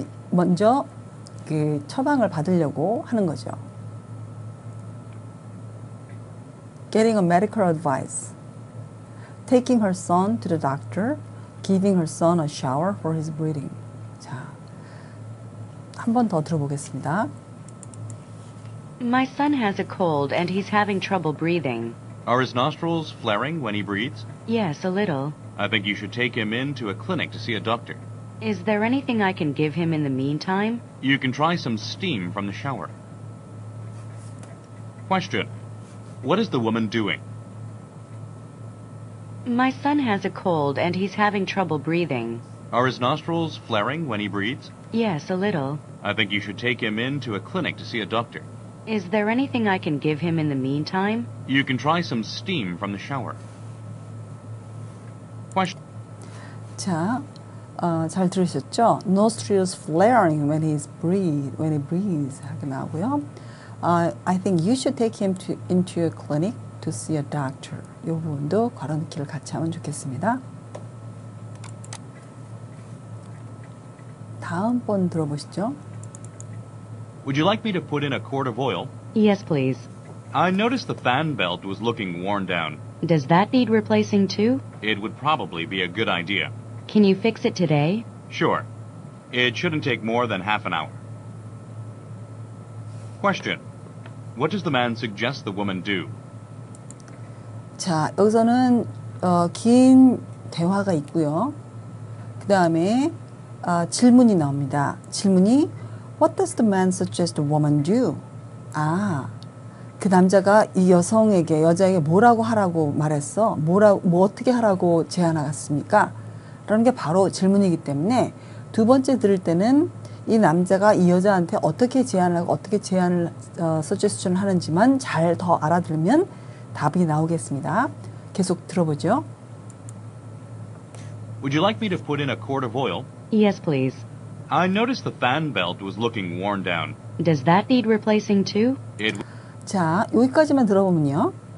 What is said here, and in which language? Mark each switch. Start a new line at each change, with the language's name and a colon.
Korean: 먼저 그 처방을 받으려고 하는 거죠.
English: Getting a medical advice. Taking her son to the doctor. Giving her son a shower for his breathing.
Korean: 자, 한 번 더 들어보겠습니다.
English: My son has a cold and he's having trouble breathing. Are his nostrils flaring when he breathes? Yes, a little. I think you should take him in to a clinic to see a doctor. Is there anything I can give him in the meantime? You can try some steam from the shower. Question. What is the woman doing? My son has a cold and he's having trouble breathing. Are his nostrils flaring when he breathes? Yes, a little. I think you should take him in to a clinic to see a doctor. Is there anything I can give him in the meantime? You can try some steam from the shower. Question.
Korean: 자, 잘 들으셨죠?
English: Nostrils flaring when he's when he breathes
Korean: 하게 나오고요.
English: I think you should take him into a clinic to see a doctor.
Korean: 이 부분도 가로늦기를 같이 하면 좋겠습니다. 다음 번 들어보시죠.
English: Would you like me to put in a quart of oil? Yes, please. I noticed the fan belt was looking worn down. Does that need replacing too? It would probably be a good idea. Can you fix it today? Sure. It shouldn't take more than half an hour. Question. What does the man suggest the woman do?
Korean: 자, 여기서는 긴 대화가 있고요. 그 다음에 질문이 나옵니다. 질문이
English: What does the man suggest the woman do?
Korean: 아, 그 남자가 이 여성에게, 여자에게 뭐라고 하라고 말했어? 뭐 어떻게 하라고 제안하셨습니까? 라는 게 바로 질문이기 때문에 두 번째 들을 때는 이 남자가 이 여자한테 어떻게 제안을 하고 어떻게 제안을 suggestion 하는지만 잘 더 알아들으면 답이 나오겠습니다. 계속 들어보죠.
English: Would you like me to put in a quart of oil? Yes, please. I noticed the fan belt was looking worn down. Does that need replacing too?
Korean: 자, 여기까지만 들어보면요.